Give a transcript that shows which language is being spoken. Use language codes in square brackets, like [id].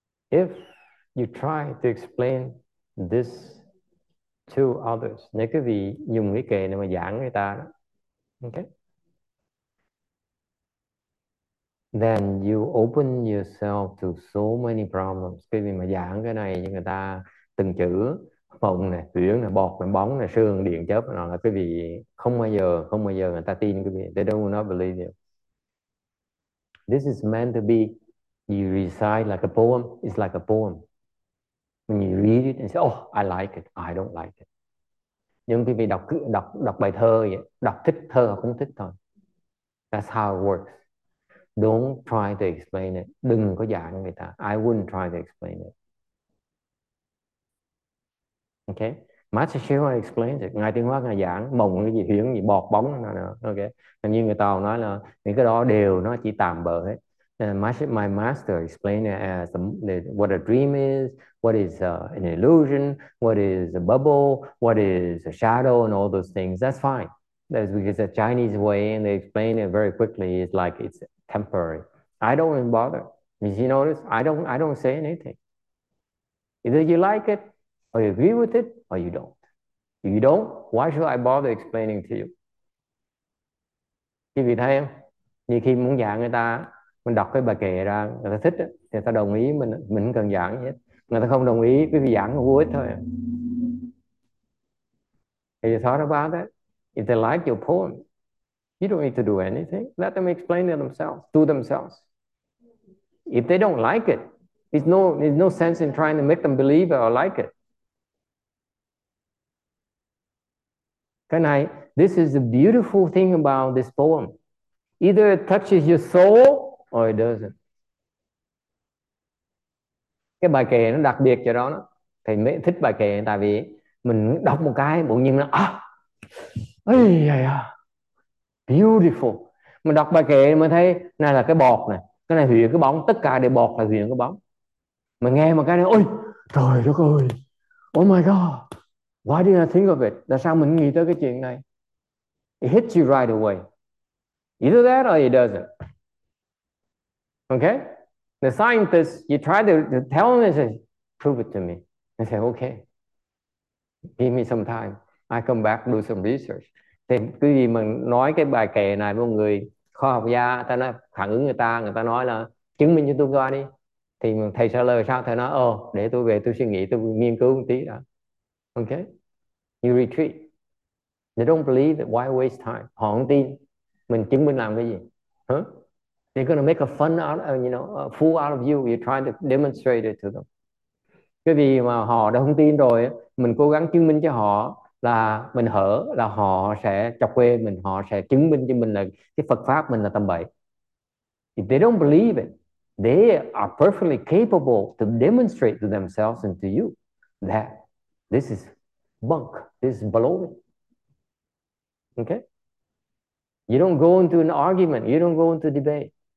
[en] If you try to explain this to others, [vi] nếu cái vị dùng cái kệ này mà giảng người ta đó, okay? [en] Then you open yourself to so many problems. [vi] Cái vị mà giảng cái này cho người ta từng chữ, phồng này, tuyến này, bọt này, bóng này, sương, điện chớp này, là quý vị không bao giờ người ta tin quý vị. [en] They do not believe you. This is meant to be, you recite like a poem, it's like a poem. When you read it and say, oh, I like it, I don't like it. [vi] Nhưng quý vị đọc bài thơ vậy, đọc thích thơ không thích thôi. [en] That's how it works. Don't try to explain it. [vi] Đừng có giảng người ta. [en] I wouldn't try to explain it. Okay. Master Shiva explains it. [vi] Ngài Tiên Hóa Ngài giảng mộng cái gì, hiển gì, bọt bóng nào nào. Okay. Hình như người ta nói là những cái đó đều nó chỉ tạm bợ hết. [en] My master explained it as what a dream is, what is an illusion, what is a bubble, what is a shadow, and all those things. That's fine. That's because the Chinese way, and they explain it very quickly, is like it's temporary. I don't even bother. You notice? I don't say anything. Either you like it, or you agree with it, or you don't. If you don't, why should I bother explaining to you? [vi] Quý vị thấy không? Như khi muốn giảng người ta, mình đọc cái bài kệ ra, người ta thích, thì ta đồng ý, mình không cần giảng gì hết. Người ta không đồng ý, quý vị giảng vô ích thôi. [en] Have you thought about that? If they like your poem, you don't need to do anything. Let them explain it themselves, to themselves. If they don't like it, there's no sense in trying to make them believe it or like it. Can I? This is the beautiful thing about this poem. Either it touches your soul or it doesn't. [vi] Cái bài kệ nó đặc biệt cho đó. Thầy mới thích bài kệ tại vì mình đọc một cái bỗng nhiên nó beautiful. Mình đọc bài kệ mình thấy này là cái bọt này, cái này huyền cái bóng, tất cả đều bọt là huyền cái bóng. Mình nghe một cái này, ôi trời đất ơi, [en] oh my god, why did I think of it? [vi] Tại sao mình nghĩ tới cái chuyện này? [en] It hits you right away. Either that or it doesn't. Okay? The scientist, you try to tell him, he says, prove it to me. I say, okay. Give me some time. I come back, do some research. [vi] Thì quý vị mà nói cái bài kệ này với một người khoa học gia, ta nói phản ứng người ta nói là chứng minh cho tôi coi đi. Thì thầy trả lời sao? Thầy nói, để tôi về tôi suy nghĩ, tôi nghiên cứu một tí đó. [en] Okay? You retreat. They don't believe it. Why waste time? [vi] Họ không tin. Mình chứng minh làm cái gì? Huh? [en] They're going to make a fun out of, you know, a fool out of you. You're trying to demonstrate it to them. [vi] Cái gì mà họ đã không tin rồi, mình cố gắng chứng minh cho họ là mình hở, là họ sẽ chọc quê mình, họ sẽ chứng minh cho mình là cái Phật Pháp mình là tầm bậy. [en] If they don't believe it, they are perfectly capable to demonstrate to themselves and to you that this is bunk, this is baloney. Okay? You don't go into an argument, you don't go into debate.